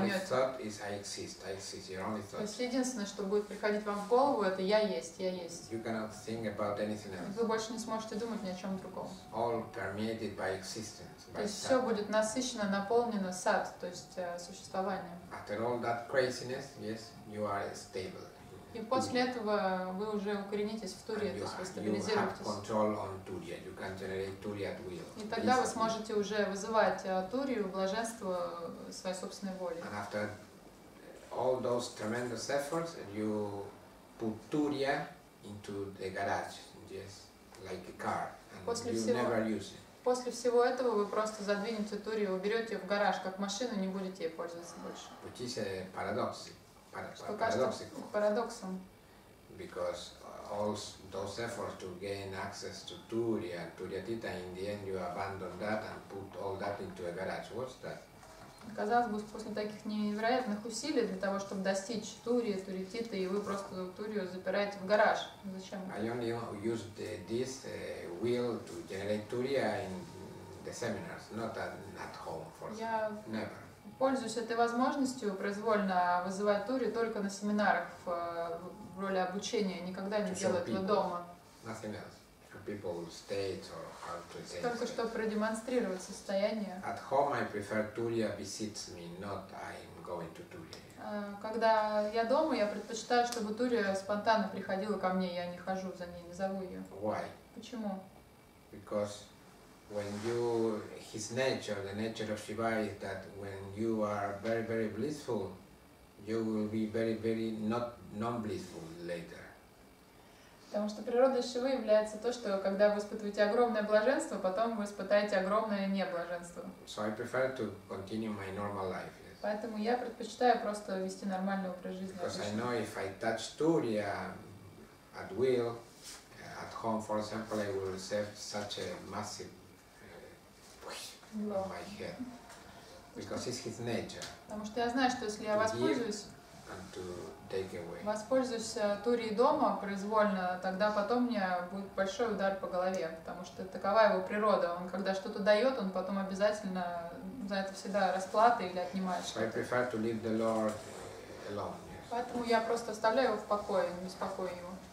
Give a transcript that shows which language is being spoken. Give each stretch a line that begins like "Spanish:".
Russian: То есть единственное, что будет приходить вам в голову, это я есть, я есть.
English: You cannot think about anything else.
Russian: Вы больше не сможете думать ни о чем другом.
English: All permeated by existence, by
Russian: То есть все будет насыщено, наполнено сад, то есть существованием.
English: After all that craziness, yes, you are stable.
Russian: И после этого вы уже укоренитесь в Турии, то есть вы стабилизируетесь. И тогда вы сможете уже вызывать Турию, блаженство своей собственной воли.
English: And after all those tremendous efforts, you put Turiya into the garage, yes, like a car, and
Russian: после
English: you
Russian: всего,
English: never use it.
Russian: После всего этого вы просто задвинете Турию, уберете ее в гараж, как машину, не будете ей пользоваться больше.
English: Which is a paradox.
Russian: Парадоксом.
English: Because all those efforts to gain access to Turiya, Turiyatita, in the end you abandon that and put all that into a garage. What's that?
Russian: Казалось бы, после таких невероятных усилий для того, чтобы достичь Турии, Турититы, и вы просто Турию запираете в гараж. Зачем?
English: I only used this will to generate Turiya in the seminars, not at home for never.
Russian: Пользуюсь этой возможностью произвольно вызывать Турию только на семинарах в роли обучения. Никогда не делаю этого дома.
English: Nothing else. People stay or how to say.
Russian: Только чтобы продемонстрировать состояние.
English: At home I prefer Turiya visits me, not I'm going to Turiya.
Russian: Когда я дома, я предпочитаю, чтобы Турия спонтанно приходила ко мне, я не хожу за ней, не зову ее.
English: Why?
Russian: Почему?
English: Because when you his nature, the nature of Shiva is that when you are very, very blissful, you will be very, very not non-blissful later.
Russian: Потому что природа Шивы является то, что когда вы испытываете огромное блаженство, потом вы испытаете огромное неблаженство.
English: So I prefer to continue my normal life. Yes.
Russian: Поэтому я предпочитаю просто вести нормальный образ жизни.
English: Because I know if I touch Turiya at will, at home, for example, I will receive such a massive my head, because it's his nature.
Russian: Потому что я знаю, что если я воспользуюсь Турией дома произвольно, тогда потом мне будет большой удар по голове, потому что такова его природа. Он когда что-то дает, он потом обязательно за это всегда расплата или отнимает.
English: So I prefer to leave the Lord alone. Yes.
Russian: Поэтому я просто оставляю его в покое, не беспокою его.